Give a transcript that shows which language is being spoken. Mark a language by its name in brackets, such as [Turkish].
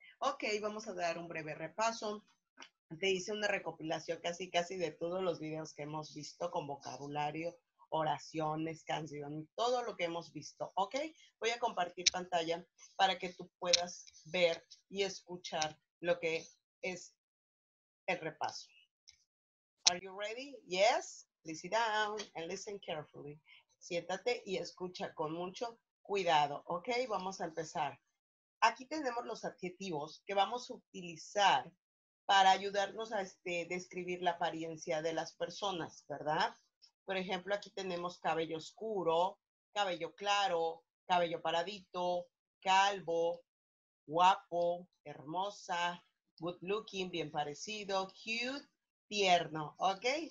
[Spanish] Ok, vamos a dar un breve repaso. Te hice una recopilación casi casi de todos los videos que hemos visto con vocabulario, oraciones, canciones, todo lo que hemos visto, ¿ok? Voy a compartir pantalla para que tú puedas ver y escuchar lo que es el repaso. [English] Are you ready? Yes? Please sit down and listen carefully. [Spanish] Siéntate y escucha con mucho cuidado, ¿ok? Vamos a empezar. Aquí tenemos los adjetivos que vamos a utilizar para ayudarnos a describir la apariencia de las personas, ¿verdad? Por ejemplo, aquí tenemos cabello oscuro, cabello claro, cabello paradito, calvo, guapo, hermosa, good looking, bien parecido, cute, tierno, ¿ok?